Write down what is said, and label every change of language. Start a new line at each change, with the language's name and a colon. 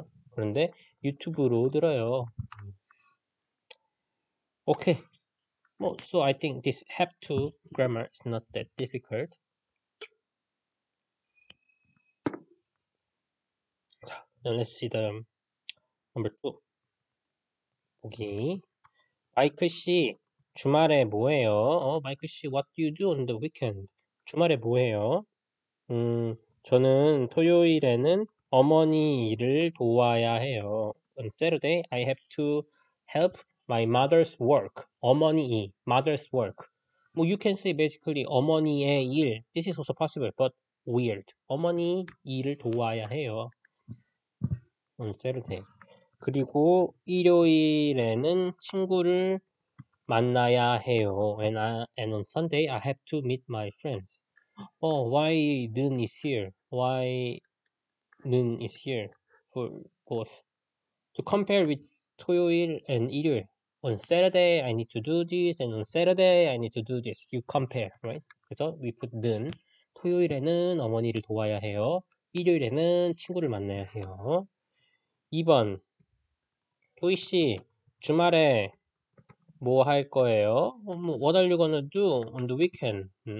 Korean: 그런데 유튜브로 들어요.
English: Okay. Well, so I think this have to grammar is not that difficult. 자, now let's see the number two.
Korean: 여기 마이클 씨 주말에 뭐해요?
English: 마이클 씨, what do you do on the weekend?
Korean: 주말에 뭐해요? 저는 토요일에는 어머니 일을 도와야 해요.
English: On Saturday, I have to help my mother's work. 어머니 일, mother's work. 뭐, you can say basically 어머니의 일. This is also possible, but weird.
Korean: 어머니 일을 도와야 해요.
English: On Saturday.
Korean: 그리고 일요일에는 친구를 만나야 해요.
English: And on Sunday, I have to meet my friends. Oh, why noon is here? Why noon is here for both? To compare with 토요일 and 일요일. On Saturday, I need to do this, and on Saturday, I need to do this. You compare, right? 그래서 we put noon.
Korean: 토요일에는 어머니를 도와야 해요. 일요일에는 친구를 만나야 해요. 2번. 토이 씨, 주말에 뭐할 거예요?
English: What are you gonna do on the weekend?